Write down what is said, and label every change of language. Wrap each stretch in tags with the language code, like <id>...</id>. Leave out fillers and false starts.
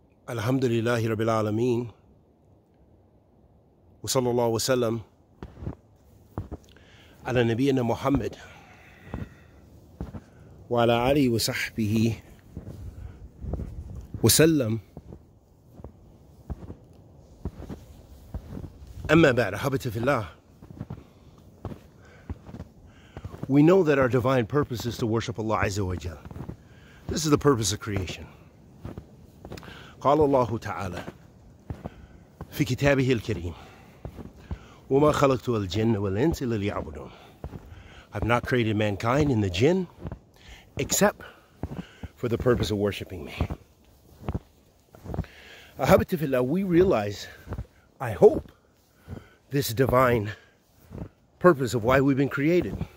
<ar>الحمد لله رب العالمين وصلى الله وسلم على نبينا محمد وعلى آله وصحبه وسلم أما بعد أحبتي في الله.</ar> <en>We know that our divine purpose is to worship Allah Azza wa Jal. This is the purpose of creation.</en> <ar>قال الله تعالى في كتابه الكريم وما خلقت الجن والإنس إلا ليعبدون.</ar> <en>I've not created mankind in the jinn except for the purpose of worshiping me.</en> <ar>أحبتي في الله,</ar> <en>we realize, I hope, this divine purpose of why we've been created.</en>